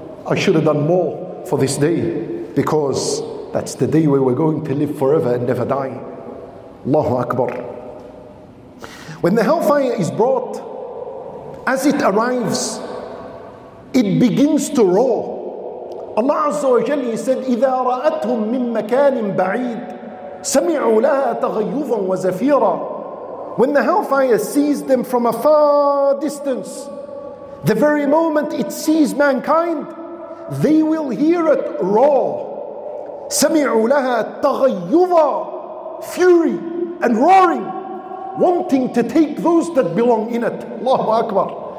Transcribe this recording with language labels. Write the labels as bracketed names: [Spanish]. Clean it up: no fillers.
[English] I should have done more for this day, because that's the day where we're going to live forever and never die. Allahu Akbar. When the hellfire is brought, as it arrives, it begins to roar. [Arabic] Allah Azza wa Jalla, [English] He said, [Arabic] إِذَا رَأَتْهُم مِّن مَكَانٍ بَعِيدٍ سَمِعُوا لَهَا تَغَيُّظًا وَزَفِيرًا. [English] When the hellfire sees them from a far distance, the very moment it sees mankind, they will hear it roar. [Arabic] سَمِعُوا لَهَا تَغَيُّظًا. [English] Fury and roaring, wanting to take those that belong in it. Allahu Akbar.